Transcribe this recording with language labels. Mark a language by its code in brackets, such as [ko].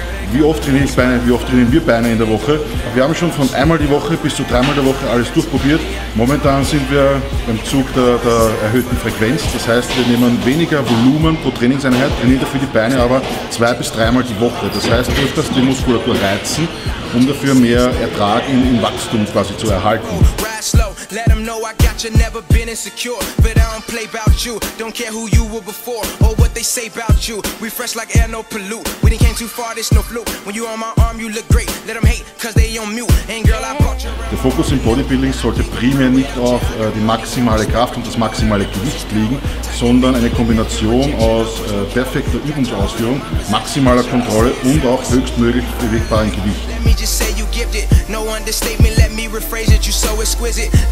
[de] Wie oft trainiere ich Beine, wie oft trainieren wir Beine in der Woche? Wir haben schon von einmal die Woche bis zu dreimal der Woche alles durchprobiert. Momentan sind wir im Zug der erhöhten Frequenz. Das heißt, wir nehmen weniger Volumen pro Trainingseinheit, trainieren dafür die Beine aber zwei bis dreimal die Woche. Das heißt, durch das die Muskulatur reizen, um dafür mehr Ertrag im Wachstum quasi zu erhalten. [en] Let them know I got you, never been insecure. But I don't play about you, don't care who you were before or what they say about you. We fresh like air, no pollute. When it came too far, there's no flu. When you on my arm, you look great. Let them hate, cause they on mute. And girl, I bought you. [de] Der Fokus im Bodybuilding sollte primär nicht auf die maximale Kraft und das maximale Gewicht liegen, sondern eine Kombination aus perfekter Übungsausführung, maximaler Kontrolle und auch höchstmöglich bewegbarem Gewicht. [en] Let me just say you gift it. No understatement, let me rephrase it. You so exquisite.